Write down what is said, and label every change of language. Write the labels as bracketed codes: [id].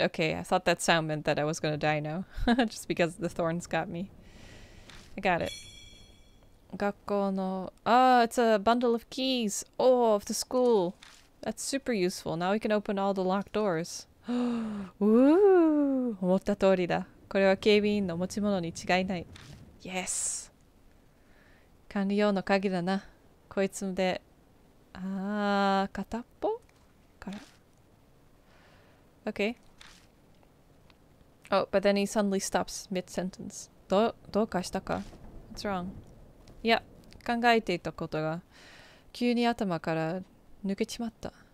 [en] Okay, I thought that sound meant that I was gonna die now. Just because the thorns got me. I got it. [ja] Gakkou no- [en] Oh, it's a bundle of keys! Oh, of the school! That's super useful. Now we can open all the locked doors. [ja] Ooh, 思った通りだ. これは警備員の持ち物に違いない。 [en] Yes! [ja] 管理用の鍵だな。こいつで、あー、片っぽから。 [en] Okay. Oh, but then he suddenly stops mid-sentence. [ja] どうかしたか? [en] What's wrong? [ja] いや、考えていたことが急に頭から抜けちまった。